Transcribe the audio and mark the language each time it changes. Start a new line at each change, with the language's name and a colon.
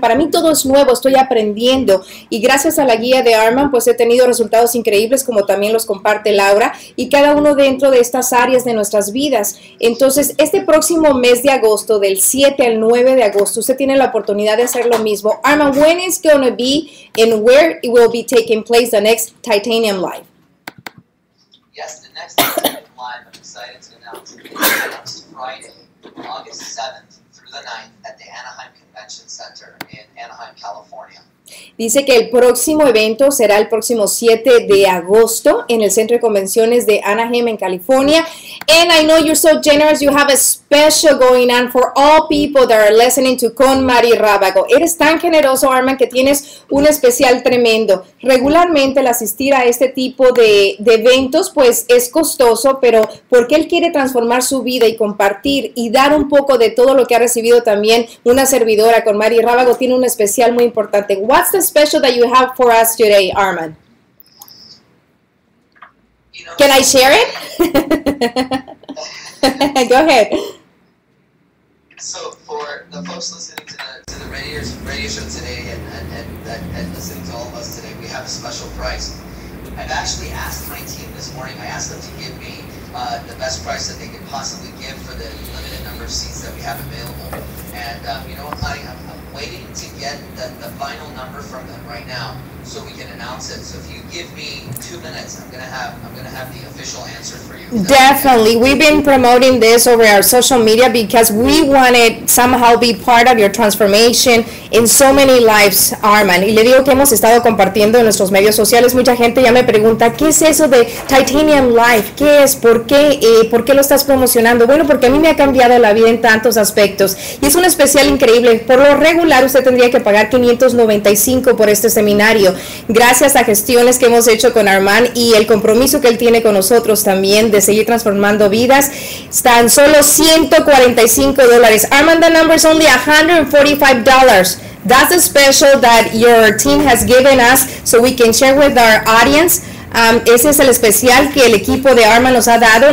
Spanish: Para mí todo es nuevo, estoy aprendiendo y gracias a la guía de Armand pues he tenido resultados increíbles como también los comparte Laura y cada uno dentro de estas áreas de nuestras vidas. Entonces este próximo mes de agosto, del 7 al 9 de agosto, usted tiene la oportunidad de hacer lo mismo.
English: Armand, when is going to be and where it will be taking place the next Titanium Live? Yes, the next Titanium Live, I'm excited to announce, it's Friday, August 7th through the 9th at the Anaheim Convention Center in Anaheim, California.
Spanish: Dice que el próximo evento será el próximo 7 de agosto en el Centro de Convenciones de Anaheim en California.
English: And I know you're so generous, you have a special going on for all people that are listening to Con Mari Rábago.
Spanish: Eres tan generoso, Armand, que tienes un especial tremendo. Regularmente el asistir a este tipo de eventos pues es costoso, pero porque él quiere transformar su vida y compartir y dar un poco de todo lo que ha recibido también una servidora Con Mari Rábago, tiene un especial muy importante.
English: What's the special that you have for us today, Armand? You know, can I share it? Go ahead. So for the folks listening to the radio show today and listening to all of us today, we have a special price. I've actually asked my team this morning, I asked them to give me the best price that they could possibly give for the limited number of seats that we have available. And you know what, Claudia? Waiting to get the final number from them right now so we can announce it. So if you give me 2 minutes, I'm gonna have the official answer for you. Definitely. We've been promoting this over our social media because we wanted somehow be part of your transformation in so many lives, Armand.
Spanish: Y le digo que hemos estado compartiendo en nuestros medios sociales. Mucha gente ya me pregunta, ¿qué es eso de Titanium Life? ¿Qué es? ¿Por qué? ¿Por qué lo estás promocionando? Bueno, porque a mí me ha cambiado la vida en tantos aspectos. Y es un especial increíble. Por lo regular, usted tendría que pagar $595 por este seminario. Gracias a gestiones que hemos hecho con Armand y el compromiso que él tiene con nosotros también de seguir transformando vidas, están solo $145.
English: Armand, the number is only $145. That's a special that your team has given us so we can share with our audience.
Spanish: Ese es el especial que el equipo de Arma nos ha dado.